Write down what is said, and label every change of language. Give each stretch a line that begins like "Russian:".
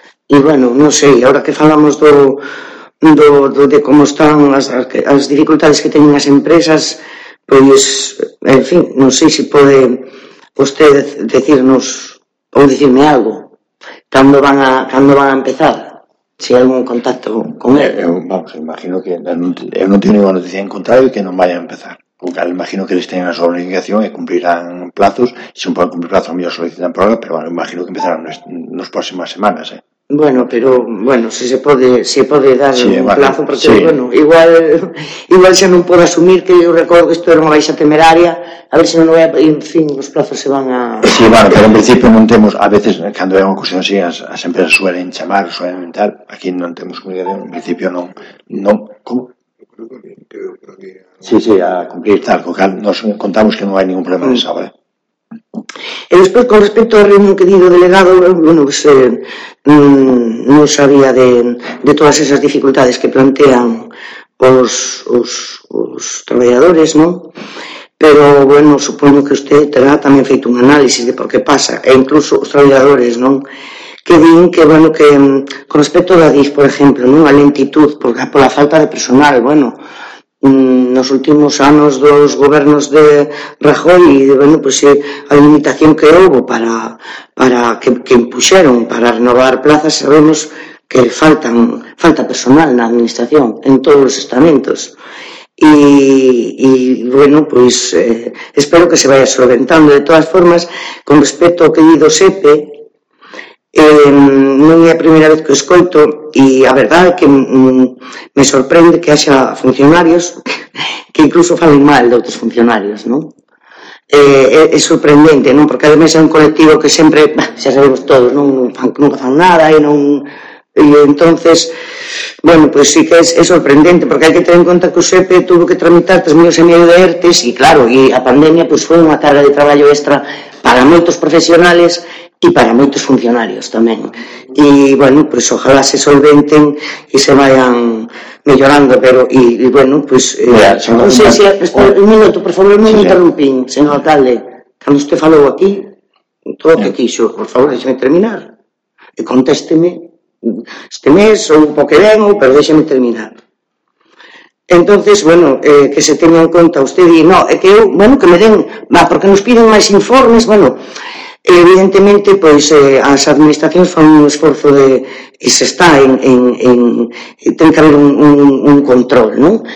Galician: E bueno, non sei, agora que falamos do de como están as dificultades que teñen as empresas, pois en fin, non sei se pode usted decirnos ou decirme algo cando van a empezar, se hai algún contacto con él. Imagino que eu non teño ninguna noticia en contrario e que non vai a empezar, porque imagino que eles teñen a súa obligación e cumplirán plazos. Se non poden cumplir plazos, a mellor solicitan prórroga, pero bueno, imagino que empezarán nas próximas semanas, Bueno, pero bueno, se pode dar plazo, porque sí. Bueno, igual xa non podo asumir, que eu recordo que isto era unha baixa temeraria, a ver se non vai, en fin, os plazos se van a... Sí, bueno, pero en principio non temos, a veces, cando hai unha cuestión así, as empresas suelen chamar, suelen inventar, aquí non temos comunicación, en principio non, como? Sí, a cumplir tal, co cal nos contamos que non hai ningún problema nesa obra. E despois, con respecto ao reunión que digo delegado, bueno, pues, non sabía de todas esas dificultades que plantean os traballadores, non? Pero bueno, supoño que usted terá tamén feito un análisis de por que pasa, e incluso os traballadores, non? Que din que, bueno, que con respecto da DIF, por exemplo, non? A lentitud por a falta de personal, bueno, nos últimos anos dos gobernos de Rajoy, e bueno, pois pues, a limitación que houve para que impuxeron para renovar plazas, sabemos que falta personal na administración en todos os estamentos. E bueno, pois espero que se vaya solventando. De todas formas, con respecto ao que di do SEPE, non é a primeira vez que o escoito, e a verdade é que me sorprende que haxa funcionarios que incluso falen mal de outros funcionarios, non? É sorprendente, non? Porque ademais é un colectivo que sempre, xa sabemos todos, non? Nunca fan nada e non...
Spanish: E entonces, bueno, pues sí que es sorprendente, porque hay que tener en cuenta que Josepe tuvo que tramitar 3,5 millóns de ERTEs, y claro, y la pandemia pues fue una carga de trabajo extra para muchos profesionales y para muchos funcionarios también. Y bueno, pues ojalá se solventen y se vayan mejorando, pero y bueno, pues mira, no sé si espero, un minuto, por favor, me interrumpí, señor alcalde, cuando usted faló aquí, todo lo que quiso, por favor, déjeme terminar y contésteme este mes
Galician: ou un pouco ben, pero déxeme terminar. Entonces, bueno, que se teña en conta, usted di, no, é que eu, bueno, que me den, va, porque nos piden máis informes, bueno, evidentemente, pois, as administracións fan un esforzo de, e se está en ten que haber un control, non?